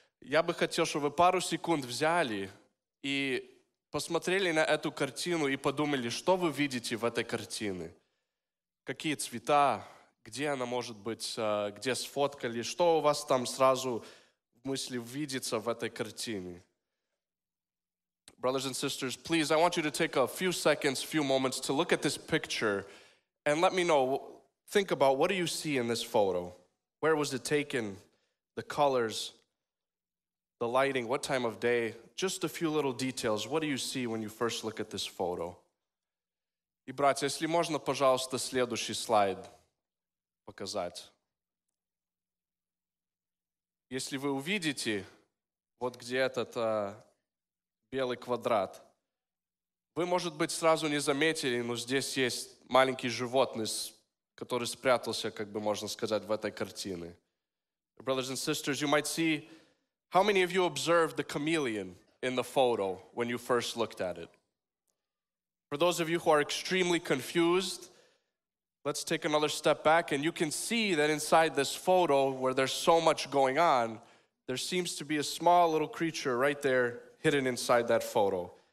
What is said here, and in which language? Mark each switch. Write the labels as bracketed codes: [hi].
[ru] Я бы хотел, чтобы вы пару секунд взяли и посмотрели на эту картину и подумали, что вы видите в этой картине. Какие цвета, где она может быть, где сфоткали, что у вас там сразу в мысли видится в этой картине. [en] Brothers and sisters, please, I want you to take a few seconds, few moments to look at this picture and let me know, think about what do you see in this photo? Where was it taken? The colors, the lighting, what time of day? Just a few little details. What do you see when you first look at this photo? [ru] И, братья, если можно, пожалуйста, следующий слайд показать. Если вы увидите, вот где этот белый квадрат, вы, может быть, сразу не заметили, но здесь есть маленький животный, который спрятался, как бы можно сказать, в этой картине. [en] Brothers and sisters, you might see, how many of you observed the chameleon in the photo when you first looked at it? For those of you who are extremely confused, let's take another step back, and you can see that inside this photo, where there's so much going on, there seems to be a small little creature right there hidden inside that photo.